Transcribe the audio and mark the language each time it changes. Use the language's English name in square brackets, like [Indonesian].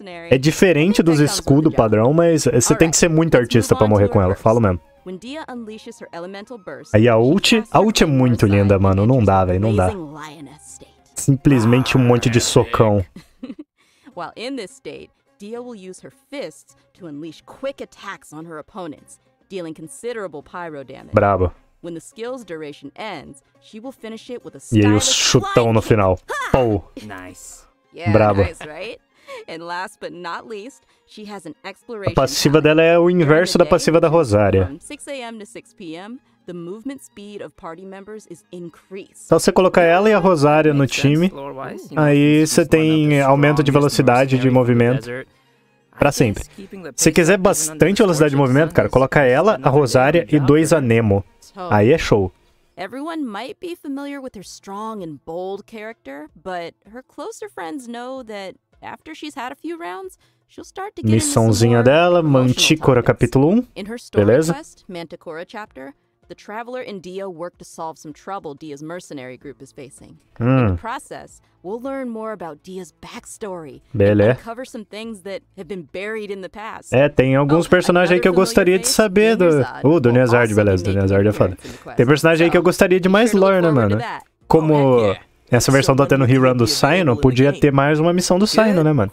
[Portuguese] É diferente dos escudos padrão, mas você tem que ser muito artista pra morrer com ela, falo mesmo. [English] When Dehya unleashes her elemental burst, [Portuguese] aí a ult é muito linda, mano. Não dá, velho, não dá. Simplesmente um monte de socão. [English] While in this state, Dehya will use her fists to unleash quick attacks on her opponents, dealing considerable pyro damage. [Portuguese] Bravo. [English] When the skill's duration ends, she will finish it with a [Portuguese] chutão no final. Pow. [English] Nice. Yeah, [Portuguese] bravo. [English] Nice, right? And last but not least, she has an exploration. [Portuguese] A passiva dela é o inverso da passiva da Rosária. [English] From 6 a.m. to 6 p.m., the movement speed of party members is increased. [Portuguese] Então você colocar ela e a Rosária no time, aí você tem aumento de velocidade de movimento pra sempre. Se quiser bastante velocidade de movimento, cara, coloca ela, a Rosária e dois Anemo. Aí é show. [English] Everyone might be familiar with her strong and bold character, but her closer friends know that after she's had a few rounds, she'll start to get [Portuguese] missãozinha dela, Manticora capítulo 1. [English] In her story [Portuguese] beleza? [English] Quest, Manticora chapter, the traveler and Dehya work to solve some trouble Dehya's mercenary group is facing. In the process, we'll learn more about Dehya's backstory. [Portuguese] Beleza. [English] And cover some things that have been buried in the past. [Portuguese] É, tem alguns personagens aí que eu gostaria de saber do, do Neazard, beleza, do Neazard é foda. Tem personagem aí que eu gostaria de mais lore, né, mano? Como essa versão tá tendo rerun do Sino, podia ter mais uma missão do Sino, né, mano?